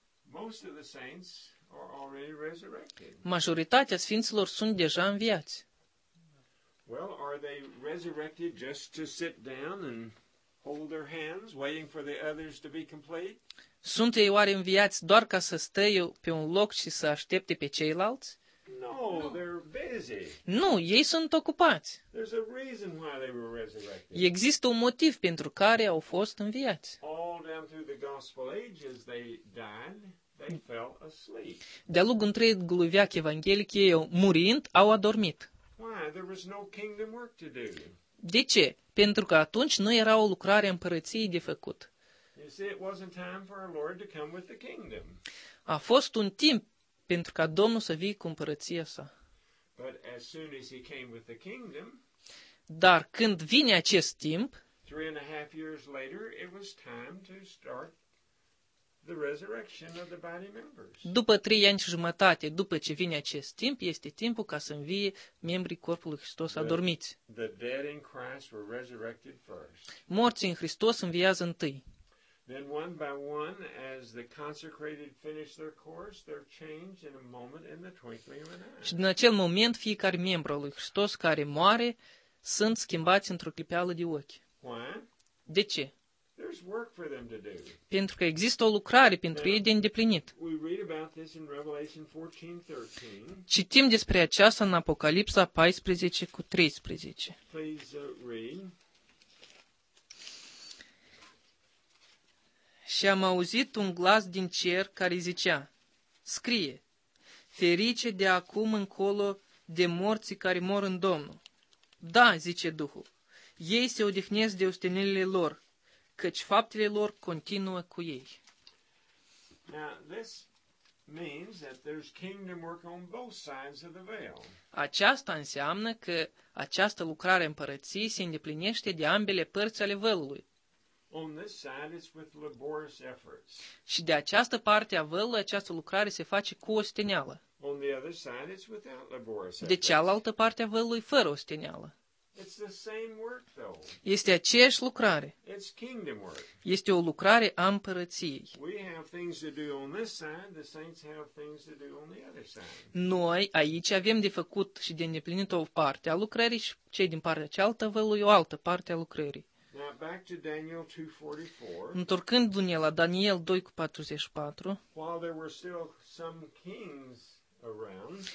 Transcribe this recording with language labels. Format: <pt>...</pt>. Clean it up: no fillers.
<en>Most of the saints are already resurrected.</en> <ro>Majoritatea sfinților sunt deja înviați.</ro> <en>Well, are they resurrected just to sit down and hold their hands, waiting for the others to be complete?</en> <ro>Sunt ei oare înviați doar ca să stea pe un loc și să aștepte pe ceilalți?</ro> <en>No, they're busy.</en> <ro>Nu, ei sunt ocupați.</ro> <en>There's a reason why they were resurrected.</en> <ro>Există un motiv pentru care au fost înviați.</ro> <en>All down through the gospel ages, they died. They fell asleep.</en> <ro>De-a lungul întregului veac evanghelic, ei murind, au adormit.</ro> <en>Why? There was no kingdom work to do.</en> <ro>De ce? Pentru că atunci nu era o lucrare împărăției de făcut.</ro> <en>You see, it wasn't time for our Lord to come with the kingdom.</en> <ro>A fost un timp pentru ca Domnul să vii cu împărăția sa.</ro> <en>But as soon as he came with the kingdom,</en> <ro>dar când vine acest timp,</ro> <en>3.5 years later, it was time to start the resurrection of the body members.</en> <ro>După 3 ani și jumătate, după ce vine acest timp, este timpul ca să învie membrii corpului Hristos adormiți.</ro> <en>The dead in Christ were resurrected first.</en> <ro>Morții în Hristos înviază întâi.</ro> <en>Then one by one, as the consecrated finish their course, they're changed in a moment in the twinkling of an eye.</en> <ro>Și din acel moment, fiecare membru al lui Hristos care moare, sunt schimbați într-o clipeală de ochi.</ro> <en>Why?</en> <ro>De ce?</ro> <en>There's work for them to do.</en> <ro>Pentru că există o lucrare pentru ei de îndeplinit.</ro> <en>We read about this in Revelation 14:13.</en> <ro>Citim despre aceasta în Apocalipsa 14:13.</ro> <en>Please read.</en> <ro>Și am auzit un glas din cer care zicea: scrie: ferice de acum încolo de morții care mor în Domnul. Da, zice Duhul. Ei se odihnesc de ustenelile lor, căci faptele lor continuă cu ei.</ro> <en>Now, this means that there's kingdom work on both sides of the veil.</en> <ro>Aceasta înseamnă că această lucrare împărăției se îndeplinește de ambele părți ale vălului.</ro> <en>On this side, it's with laborious efforts.</en> <ro>Și de această parte a vălului această lucrare se face cu osteneală.</ro> <en>On the other side, it's without laborious efforts.</en> <ro>De cealaltă parte a vălului fără osteneală.</ro> <en>It's the same work, though.</en> <ro>Este aceeași lucrare.</ro> <en>It's kingdom work.</en> <ro>Este o lucrare a împărăției.</ro> <en>We have things to do on this side, the saints have things to do on the other side.</en> <ro>Noi aici avem de făcut și de îndeplinit o parte a lucrării și cei din partea cealaltă vălui o altă parte a lucrării.</ro> <en>Now back to Daniel 2:44.</en> <ro>Întorcându-ne la Daniel 2:44.</ro> <en>While there were still some kings around,</en>